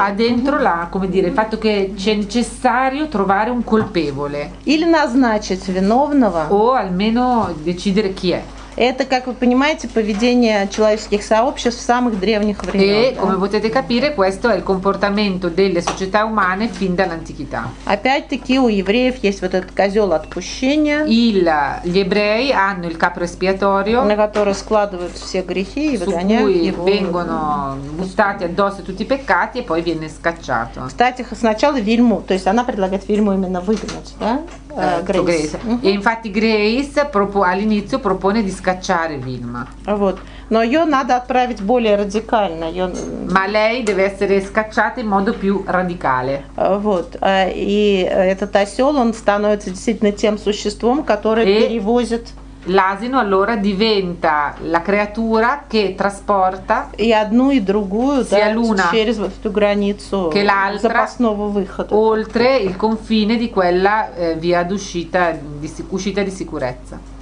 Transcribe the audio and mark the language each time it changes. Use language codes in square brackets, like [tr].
[it] А dentro la, come dire, il fatto che c'è necessario trovare un colpevole. [ru] Или назначить виновного. [it] O almeno decidere chi è. [ru] Это, как вы понимаете, поведение человеческих сообществ в самых древних времен. [it] E, come potete capire, questo è il comportamento delle società umane fin dall'antichità. [ru] Опять-таки у евреев есть вот этот козел отпущения. [it] Gli ebrei hanno il capro espiatorio, [ru] на который складывают все грехи и выгоняют [it] его. Su cui vengono buttati addosso tutti i peccati e poi viene scacciato. [ru] Кстати, сначала Вильму, то есть она предлагает Вильму именно выгнать, да? [it] Grace. E infatti Grace all'inizio propone di scacciare Vilma. [ru] Вот. Но ее надо отправить более радикально. [it] Ma lei deve essere scacciata in modo più radicale. [ru] Вот. И этот осел он становится действительно тем существом, которое перевозит. [it] L'asino allora diventa la creatura che trasporta [ru] e одну и другую, [it] sia l'una [ru] через эту границу, [it] che l'altra [ru] выхода, [it] oltre il confine di quella via d'uscita di uscita di sicurezza.